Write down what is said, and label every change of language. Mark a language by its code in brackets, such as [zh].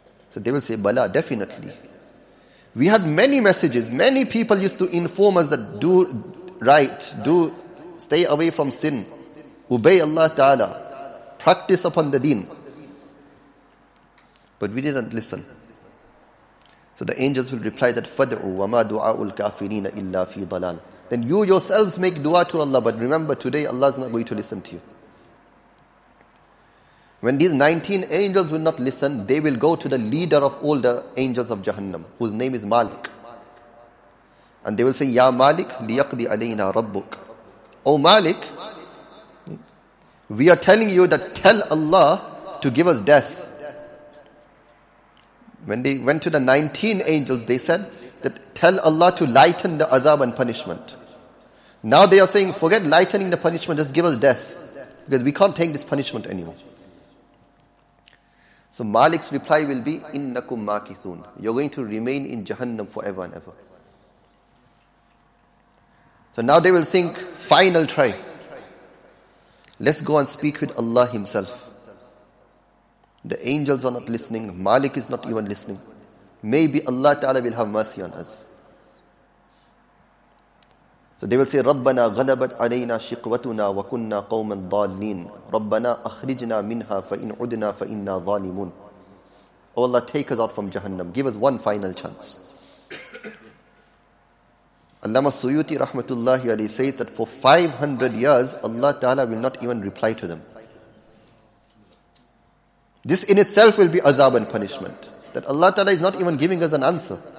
[en] So they will say, Bala, definitely. We had many messages. Many people used to inform us that do right, do stay away from sin, obey Allah Ta'ala, practice upon the deen. But we didn't listen. So the angels will reply that, [ar] فَدْعُوا وَمَا دُعَاءُ الْكَافِرِينَ إِلَّا فِي ضَلَالٍ. [en] Then you yourselves make dua to Allah, but remember today Allah is not going to listen to you. When these 19 angels will not listen, they will go to the leader of all the angels of Jahannam, whose name is Malik. And they will say, [ar] يَا مَالِكْ لِيَقْضِ عَلَيْنَا رَبُّكَ. [en] O Malik, we are telling you that tell Allah to give us death. When they went to the 19 angels, they said that tell Allah to lighten the azab and punishment. Now they are saying, forget lightening the punishment, just give us death. Because we can't take this punishment anymore. So Malik's reply will be, [ar] innakum makithun. [en] You're going to remain in Jahannam forever and ever. So now they will think, final try. Let's go and speak with Allah Himself. The angels are not listening. Malik is not even listening. Maybe Allah Ta'ala will have mercy on us. [ar] So they will say, رَبَّنَا غَلَبَتْ عَلَيْنَا شِقْوَتُنَا وَكُنَّا قَوْمًا ضَالِّينَ رَبَّنَا أَخْرِجْنَا مِنْهَا فَإِنْ عُدْنَا فَإِنَّا ظَالِمُونَ. [en] Oh Allah, take us out from Jahannam. Give us one final chance. Allama Suyuti Rahmatullahi Ali says that for 500 years, Allah Ta'ala will not even reply to them. This in itself will be azab and punishment. That Allah Ta'ala is not even giving us an answer.